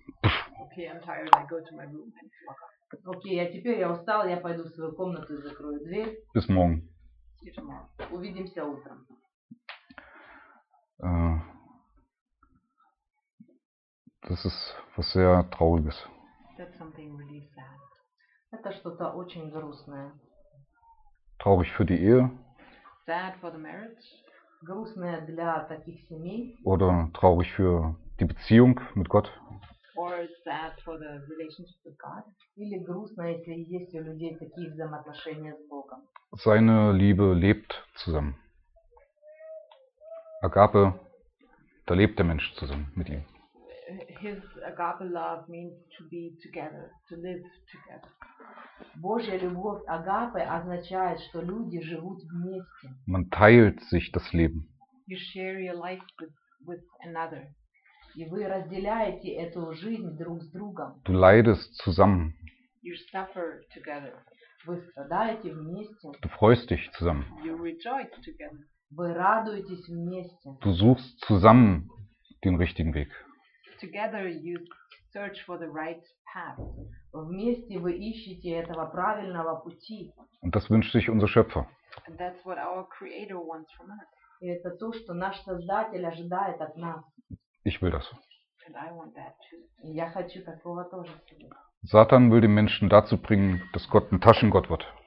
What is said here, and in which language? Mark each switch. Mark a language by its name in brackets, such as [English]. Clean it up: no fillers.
[English] Okay, I'm tired, I go to my room and lock up. [Russian] Okay, а теперь я устал, я пойду в свою комнату и закрою дверь. [German] Bis morgen. [English] See you tomorrow. [Russian] Увидимся утром. [German] Das ist was sehr Trauriges. [English] That's something really sad. [Russian] Это что-то очень грустное. [German] Traurig für die Ehe. [English] Sad for the marriage. [Russian] Грустное для таких семей. [German] Oder traurig für die Beziehung mit Gott. [English] Or sad for the relationship with God. [Russian] Или грустно, если есть у людей такие взаимоотношения с Богом. [German] Seine Liebe lebt zusammen. Agape, da lebt der Mensch zusammen mit ihm. [English] His agape love means to be together, to live together. [Russian] Божья любовь агапы означает, что люди живут вместе. [German] Man teilt sich das Leben. [English] You share your life with another. [Russian] И вы разделяете эту жизнь друг с другом. [German] Du leidest zusammen. [English] You suffer together. [Russian] Вы страдаете вместе. [German] Du freust dich zusammen. [English] You rejoice together. [Russian] Вы радуетесь вместе. [German] Du suchst zusammen den richtigen Weg. [English] Together you search for the right path. [Russian] Вместе вы ищете этого правильного пути. [German] Und das wünscht sich unser Schöpfer. [English] And that's what our Creator wants from us. [Russian] И это то, что наш Создатель ожидает от нас. [German] Ich will das. [English] And I want that too. [Russian] Я хочу такого тоже. [German] Satan will den Menschen dazu bringen, dass Gott ein Taschengott wird.